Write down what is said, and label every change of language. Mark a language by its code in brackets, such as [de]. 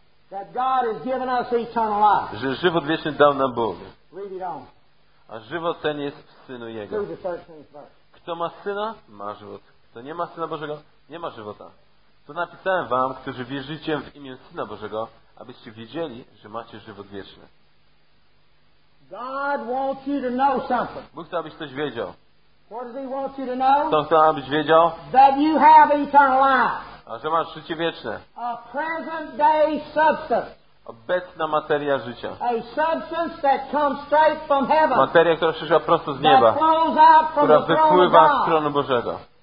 [en] That God has given us eternal life. [pl] Że żywot wieczny dał nam Bóg. [en] Read it on. [pl] A żywot ten jest w Synu Jego. Kto ma Syna, ma żywot. Kto nie ma Syna Bożego, nie ma żywota. To napisałem wam, którzy wierzycie w imię Syna Bożego, abyście wiedzieli, że macie żywot wieczny. [en] God wants you to know something. [pl] Bóg chce, abyś coś wiedział. [en] What does he want you to know? [pl] Co chce, abyś wiedział? [en] That you have eternal life. [pl] A że masz życie wieczne. [en] A present day substance. [pl] Obecna materia życia. [en] A substance that comes straight from heaven. [pl] Materia, która przyszła prosto z nieba. Która wypływa z tronu Bożego.